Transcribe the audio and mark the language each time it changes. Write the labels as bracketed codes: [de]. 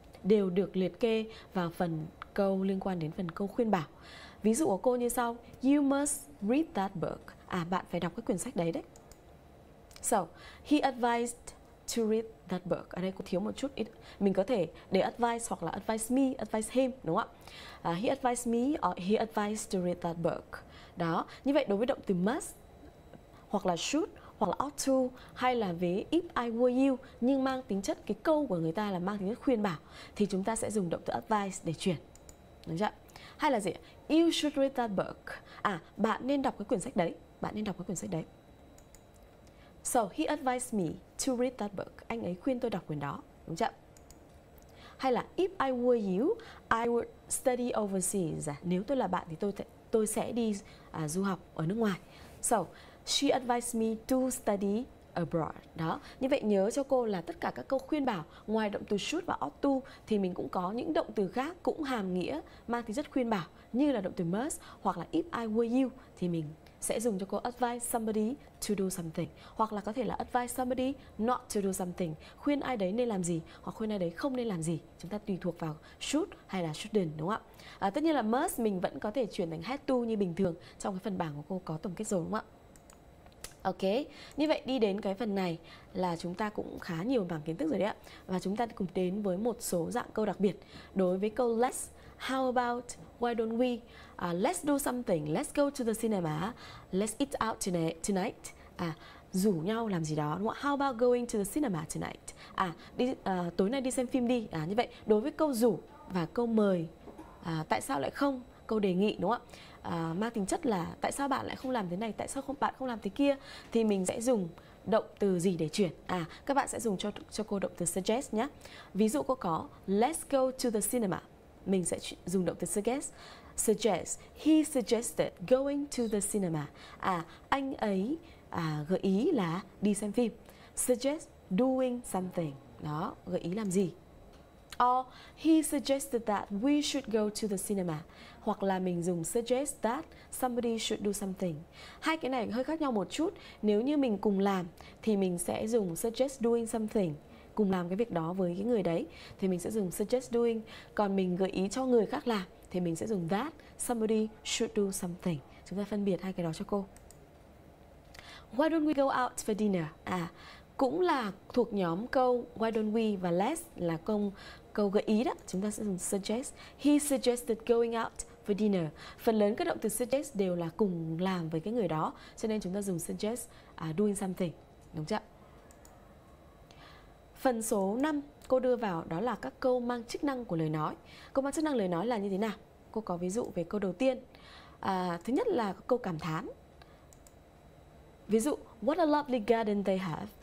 [vi] Đều được liệt kê vào phần câu liên quan đến phần câu khuyên bảo. Ví dụ của cô như sau: [en] You must read that book. [vi] À, bạn phải đọc cái quyển sách đấy đấy. [en] So, he advised to read that book. [vi] Ở đây cô thiếu một chút. Mình có thể để advise hoặc là [en] advise me, advise him, [vi] đúng không ạ? [en] He advised me or he advised to read that book. [vi] Đó, như vậy đối với động từ must hoặc là should hoặc là ought to hay là với [en] if I were you [vi] nhưng mang tính chất cái câu của người ta là mang tính chất khuyên bảo thì chúng ta sẽ dùng động từ advise để chuyển. Đúng chưa? Hay là gì? [en] You should read that book. [vi] À, bạn nên đọc cái quyển sách đấy. Bạn nên đọc cái quyển sách đấy. [en] So, he advised me to read that book. [vi] Anh ấy khuyên tôi đọc quyển đó. Đúng chưa? Hay là [en] if I were you, I would study overseas. [vi] Nếu tôi là bạn thì tôi sẽ đi du học ở nước ngoài. [en] So, she advised me to study abroad. Đó. [vi] Như vậy nhớ cho cô là tất cả các câu khuyên bảo ngoài động từ should và ought to thì mình cũng có những động từ khác cũng hàm nghĩa mang tính chất khuyên bảo như là động từ must hoặc là if I were you thì mình sẽ dùng cho cô [en] advise somebody to do something [vi] hoặc là có thể là [en] advise somebody not to do something, [vi] khuyên ai đấy nên làm gì hoặc khuyên ai đấy không nên làm gì, chúng ta tùy thuộc vào should hay là shouldn't, đúng không ạ? Tất nhiên là must mình vẫn có thể chuyển thành had to như bình thường trong cái phần bảng của cô có tổng kết rồi, đúng không ạ? Ok, như vậy đi đến cái phần này là chúng ta cũng khá nhiều bảng kiến thức rồi đấy ạ. Và chúng ta cùng đến với một số dạng câu đặc biệt. Đối với câu [en] let's, how about, why don't we, let's do something, let's go to the cinema, let's eat out tonight. [vi] À, rủ nhau làm gì đó, đúng không? [en] How about going to the cinema tonight? [vi] À, đi, tối nay đi xem phim đi. À, như vậy, đối với câu rủ và câu mời, tại sao lại không? Câu đề nghị, đúng không ạ? Mang tính chất là tại sao bạn lại không làm thế này, tại sao không bạn không làm thế kia thì mình sẽ dùng động từ gì để chuyển? À, các bạn sẽ dùng cho cô động từ suggest nhé. Ví dụ cô có [en] let's go to the cinema, [vi] mình sẽ dùng động từ suggest. [en] He suggested going to the cinema. [vi] À, anh ấy gợi ý là đi xem phim. Suggest doing something, đó, gợi ý làm gì. [en] Or he suggested that we should go to the cinema. [vi] Hoặc là mình dùng suggest that somebody should do something. Hai cái này hơi khác nhau một chút. Nếu như mình cùng làm thì mình sẽ dùng suggest doing something, cùng làm cái việc đó với cái người đấy thì mình sẽ dùng suggest doing. Còn mình gợi ý cho người khác làm thì mình sẽ dùng that somebody should do something. Chúng ta phân biệt hai cái đó cho cô. [en] Why don't we go out for dinner? [vi] À, cũng là thuộc nhóm câu why don't we và let's là câu gợi ý đó, chúng ta sẽ dùng suggest. [en] He suggested going out for dinner. [vi] Phần lớn các động từ suggest đều là cùng làm với cái người đó, cho nên chúng ta dùng suggest doing something, đúng chưa? Phần số 5 cô đưa vào đó là các câu mang chức năng của lời nói. Câu mang chức năng lời nói là như thế nào? Cô có ví dụ về câu đầu tiên. Thứ nhất là câu cảm thán. [en] Ví dụ, what a lovely garden they have.